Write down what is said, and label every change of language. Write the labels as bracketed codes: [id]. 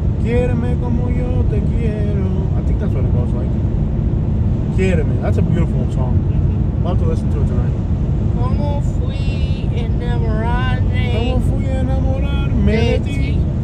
[es] Quiereme como yo te quiero. [en] I think that's what it goes like. Quiereme. That's a beautiful song. I'll have to listen to it tonight. [es] Como fui enamorarme. Como fui enamorarme de ti.